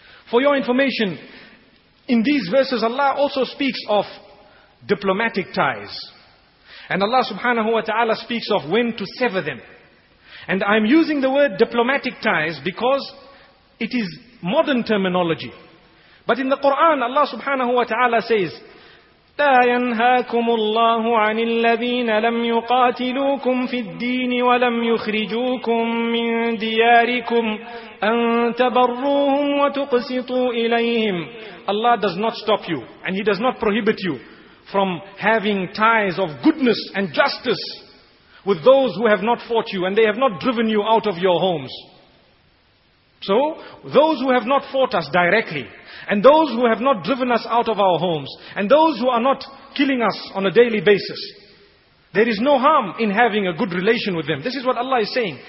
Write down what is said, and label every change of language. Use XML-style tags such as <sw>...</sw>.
<en>For your information, in these verses Allah also speaks of diplomatic ties. And Allah subhanahu wa ta'ala speaks of when to sever them. And I'm using the word diplomatic ties because it is modern terminology. But in the Quran, Allah subhanahu wa ta'ala says,</en> <ar>لا ينهاكم الله عن الذين لم يقاتلوكم في الدين ولم يخرجوكم من دياركم أن تبروهم وتقسطوا إليهم.</ar> <en>Allah does not stop you and He does not prohibit you from having ties of goodness and justice with those who have not fought you and they have not driven you out of your homes. So, those who have not fought us directly, and those who have not driven us out of our homes, and those who are not killing us on a daily basis, there is no harm in having a good relation with them. This is what Allah is saying.</en>